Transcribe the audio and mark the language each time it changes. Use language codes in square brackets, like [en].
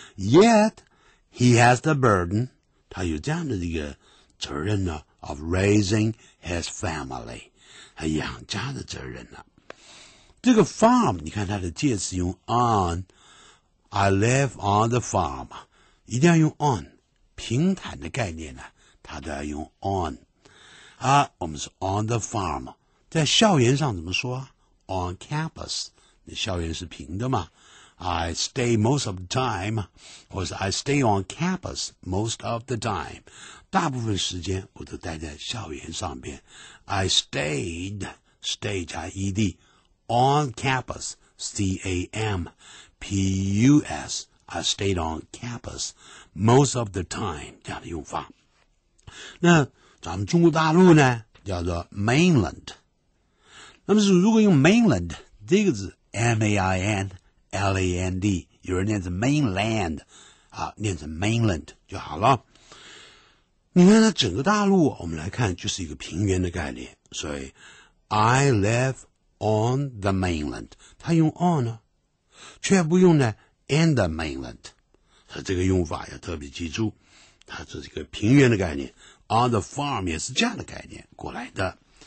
[en] Yet he has the burden. [zh] 他有这样的一个责任呢 [en] of raising his family. [zh] 他养家的责任呢。这个 farm, 你看他的介词用 on. [en] I live on the farm. 一定要用 on. [zh] 平坦的概念呢他都要用 on. 啊我们是 on the farm。 在校园上怎么说 ？On campus， 那校园是平的嘛 ？ [en] I stay most of the time， [zh] 或是 [en] I stay on campus most of the time， [zh] 大部分时间我都待在校园上边。 [en] I stay 加 ed on campus c a m p u s， I stayed on campus most of the time [zh] 这样的用法。那咱们中国大陆呢，叫做 mainland。那么是如果用 mainland 这个字 M-A-I-N-L-A-N-D 有人念成 mainland、啊、念成 mainland 就好了。你看它整个大陆我们来看就是一个平原的概念，所以 [en] I live on the mainland， [zh] 它用 on 呢却不用呢 in the mainland， 它这个用法要特别记住，它是一个平原的概念， on the farm 也是这样的概念过来的。